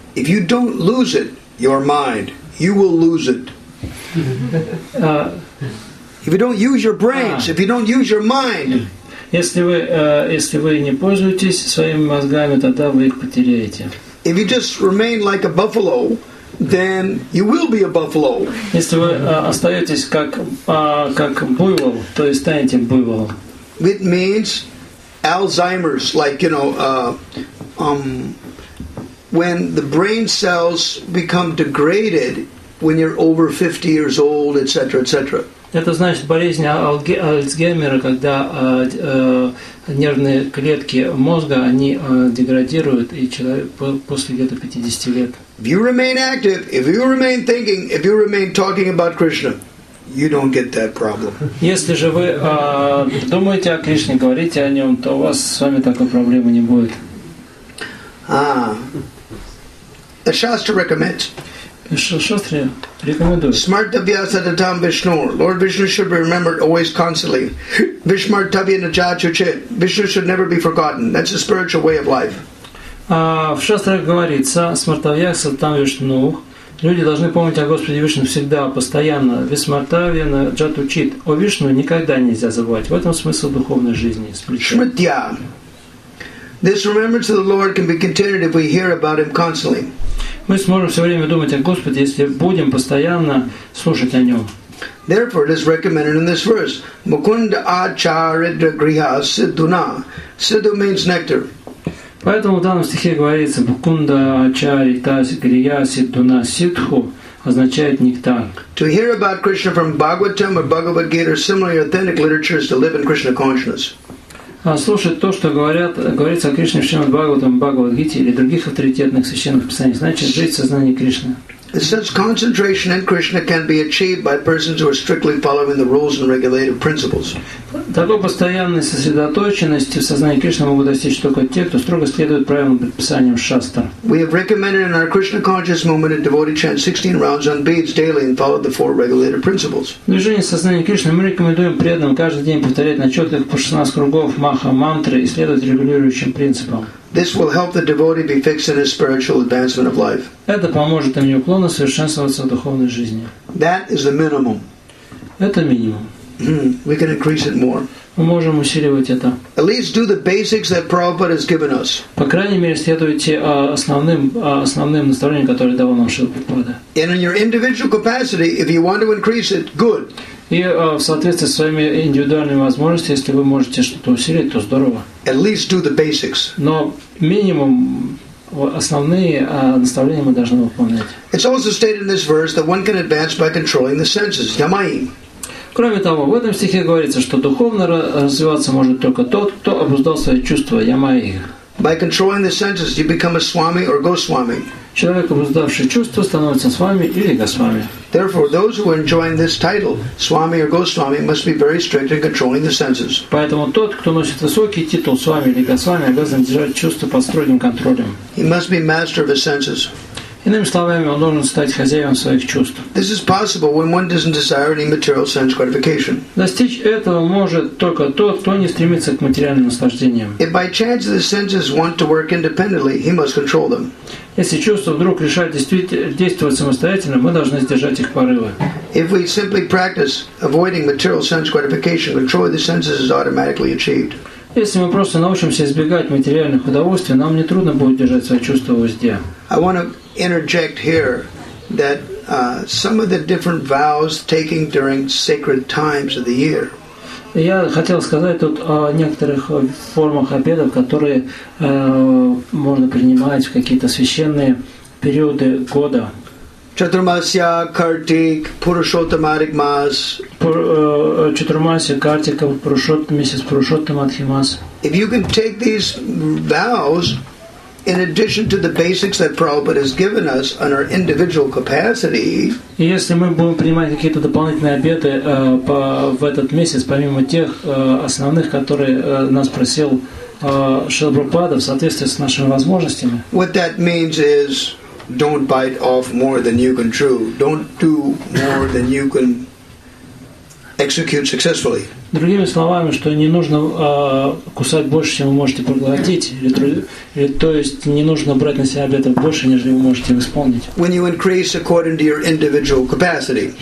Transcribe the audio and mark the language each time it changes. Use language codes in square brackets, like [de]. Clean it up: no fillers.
[en] If you don't lose it, your mind, you will lose it. If you don't use your brains, if you don't use your mind, [ru] если вы не пользуетесь своими мозгами, тогда вы их потеряете. [en] If you just remain like a buffalo, then you will be a buffalo. [ru] Если вы остаетесь как буйвол, то и станете буйволом. [en] It means Alzheimer's, like, you know, when the brain cells become degraded when you're over 50 years old, etc., etc. [ru] Это значит болезнь Альцгеймера, когда нервные клетки мозга они деградируют и человек после где-то 50 лет. [en] If you remain active, if you remain thinking, if you remain talking about Krishna, you don't get that problem. [ru] Если же вы думаете о Кришне, говорите о нем, то у вас с вами такой проблемы не будет. [en] The Shastra recommends. Shastra recommends. [sa] Smartavyasa Tatam Vishnu. [en] Lord Vishnu should be remembered always constantly. [sa] Vishmartavya Najachuchit. [en] Vishnu should never be forgotten. That's a spiritual way of life. [ru] В Шастрах говорится, [sa] Смартавьяса Там Вишну. [ru] Люди должны помнить о Господе Вишну всегда, постоянно. [sa] Вишмартавья Наджатучит. [ru] О Вишну никогда нельзя забывать. В этом смысл духовной жизни. Шмитья. [en] This remembrance of the Lord can be continued if we hear about Him constantly. [ru] Мы сможем все время думать о Господе, если будем постоянно слушать о Нем. [en] Therefore, it is recommended in this verse: [sa] Mukunda Acharidra Griha Siddhuna. [en] Siddhu means nectar. [ru] Поэтому в данном стихе говорится: [sa] Mukunda Acharidra Griha Siddhuna. [ru] Siddhu означает нектар. [en] To hear about Krishna from Bhagavatam or Bhagavad Gita or similarly authentic literature is to live in Krishna consciousness. [ru] Слушать то, что говорится о Кришне в Шримад-Бхагаватам, Бхагавад-гите или других авторитетных священных писаниях, значит жить в сознании Кришны. [en] Such concentration in Krishna can be achieved by persons who are strictly following the rules and regulative principles. [ru] Такой постоянной сосредоточенности в сознании Кришны могут достичь только те, кто строго следует правилам и предписаниям шастра. [en] We have recommended in our Krishna conscious movement a devotee chant 16 rounds on beads daily and follow the four regulative principles. [ru] Движение сознания Кришны мы рекомендуем преданным каждый день повторять на четких по 16 кругов маха мантры и следовать регулирующим принципам. [en] This will help the devotee be fixed in his spiritual advancement of life. [ru] Это поможет им неуклонно совершенствоваться в духовной жизни. [en] That is the minimum. [ru] Это минимум. [en] We can increase it more. [ru] Мы можем усиливать это. [en] At least do the basics that Prabhupada has given us. [ru] По крайней мере, следуйте основным наставлениям, которые давал нам Шрила Прабхупада. [en] And in your individual capacity, if you want to increase it, good. [ru] И в соответствии с своими индивидуальными возможностями, если вы можете что-то усилить, то здорово. [en] At least do the basics. [ru] Но минимум основные наставления мы должны выполнять. [en] It's also stated in this verse that one can advance by controlling the senses. Yamayim. [ru] Кроме того, в этом стихе говорится, что духовно развиваться может только тот, кто обуздал свои чувства, ямайи. [en] By controlling the senses, you become a swami or goswami. [ru] Человек, обуздавший чувства, становится свами или госвами. [en] Therefore, those who are enjoying this title, swami or goswami, must be very strict in controlling the senses. [ru] Поэтому тот, кто носит высокий титул свами или госвами, обязан держать чувства под строгим контролем. [en] He must be master of his senses. [ru] Иными словами, он должен стать хозяином своих чувств. [en] This is possible when one doesn't desire any material sense gratification. [ru] Достичь этого может только тот, кто не стремится к материальным наслаждениям. [en] If by chance the senses want to work independently, he must control them. [ru] Если чувства вдруг решают действовать самостоятельно, мы должны сдержать их порывы. [en] If we simply practice avoiding material sense gratification, control of the senses is automatically achieved. [ru] Если мы просто научимся избегать материальных удовольствий, нам не трудно будет держать свои чувства в узде. [en] I want to interject here that some of the different vows taken during sacred times of the year. [ru] Я хотел сказать тут о некоторых формах обедов, которые можно принимать в какие-то священные периоды года. Чатурмасия, Картик, Пурушоттамадхи Мас. Чатурмасия, Картик, Пурушоттамадхи Мас. [en] If you can take these vows in addition to the basics that Prabhupada has given us on our individual capacity, [ru] если мы будем принимать какие-то дополнительные обеты в этот месяц, помимо тех основных, которые нас просил Шрила Прабхупада в соответствии с нашими возможностями. [en] What that means is, don't bite off more than you can chew. Don't do more than you can execute successfully. [ru] Другими словами, что не нужно кусать больше, чем вы можете проглотить, или то есть не нужно брать на себя обетов больше, нежели вы можете исполнить. [en] When you increase according to your individual capacity.